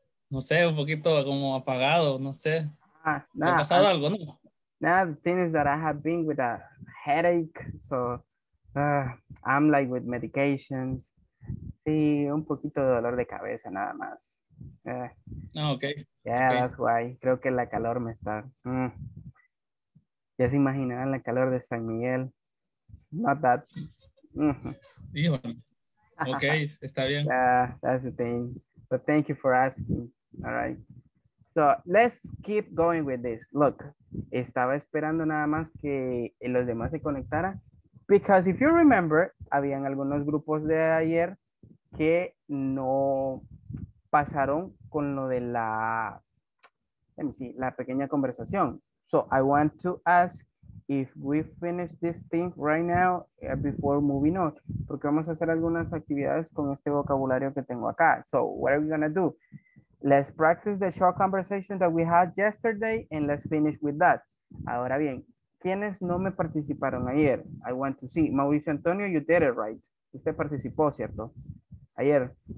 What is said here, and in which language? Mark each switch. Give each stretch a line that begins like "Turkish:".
Spanish: No sé, un poquito como apagado, no sé. Nah, ¿ha pasado algo, no?
English: Nah, the thing is that I have been with a headache, so I'm like with medications.
Spanish: Sí, un poquito de dolor de cabeza nada más.
English: Okay. Yeah, okay. That's why.
Spanish: Creo que la calor me está... Ya se imaginarán la calor de San Miguel.
English: It's not that...
Spanish: Okay, está bien.
English: Yeah, that's the thing. But thank you for asking. All right. So let's keep going with this.
Spanish: Look, estaba esperando nada más que los demás se conectaran.
English: Because if you remember,
Spanish: habían algunos grupos de ayer que no pasaron con lo de la,
English: let me see,
Spanish: la pequeña conversación.
English: So I want to ask if we finish this thing right now before moving on.
Spanish: Porque vamos a hacer algunas actividades con este vocabulario que tengo acá.
English: So what are we going to do? Let's practice the short conversation that we had yesterday and let's finish with that.
Spanish: Ahora bien, ¿quiénes no me participaron ayer?
English: I want to see. Mauricio Antonio, you did it right.
Spanish: Usted participó, ¿cierto? Ayer.